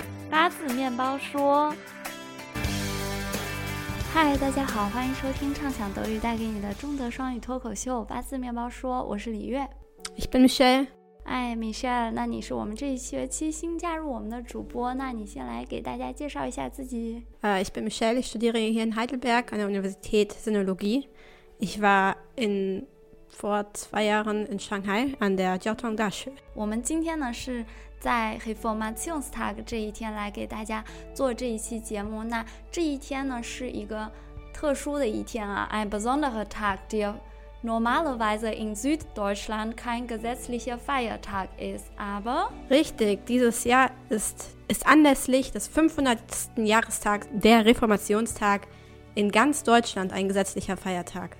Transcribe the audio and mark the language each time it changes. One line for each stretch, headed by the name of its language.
Chinese: 八字面包说，嗨，大家好，欢迎收听畅想德语带给你的中德双语脱口秀八字面包说，我是李月。
German: Ich bin Michelle。
Chinese: 哎 ，Michelle， 那你是我们这一学期新加入我们的主播，那你先来给大家介绍一下自己。
German: Ich bin Michelle, ich studiere hier in Heidelberg an der Universität Sinologie. Ich war in vor 2 Jahren in Shanghai an der Jiaotong
Chinese: 大学。我们今天呢是在 Reformationstag 这一天来给大家做这一期节目。那这一天呢是一个特殊的一天啊
German: ，ein besonderer Tag, der normalerweise in Süddeutschland kein gesetzlicher Feiertag ist, aber richtig, dieses Jahr ist anlässlich des 500. Jahrestags der Reformationstag in ganz Deutschland ein gesetzlicher Feiertag.